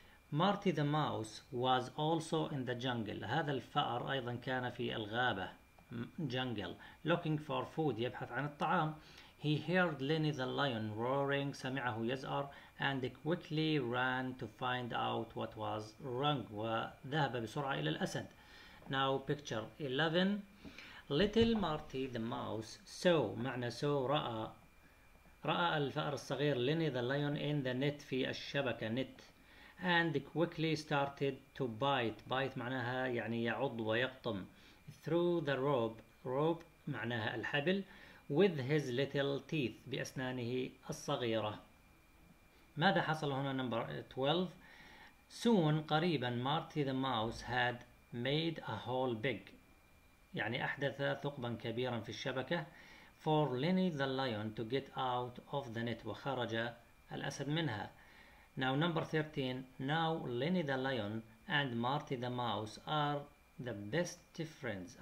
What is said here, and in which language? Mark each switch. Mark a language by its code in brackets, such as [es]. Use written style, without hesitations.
[en] Marty the mouse was also in the jungle. [ar] هذا الفأر أيضا كان في الغابة. [en] Jungle. Looking for food. [ar] يبحث عن الطعام. [en] He heard Lenny the lion roaring. [ar] سمعه يزأر. [en] And quickly ran to find out what was wrong. [ar] وذهب بسرعة إلى الأسد. [en] Now picture 11. Little Marty the mouse saw. [ar] معنى [en] saw [ar] رأى الفأر الصغير [en] Lenny the lion in the net [ar] في الشبكة [en] net. And quickly started to bite. [ar] Bite معناها يعني يعض ويقطم. [en] Through the rope. Rope [ar] معناها الحبل. [en] With his little teeth. [ar] بأسنانه الصغيرة. ماذا حصل هنا [en] number 12. Soon [ar] قريبا [en] Marty the mouse had made a hole big. [ar] يعني أحدث ثقبا كبيرا في الشبكة. [en] For Lenny the lion to get out of the net. [ar] وخرج الأسد منها. [en] Now number 13. Now Lenny the lion and Marty the mouse are the best friends.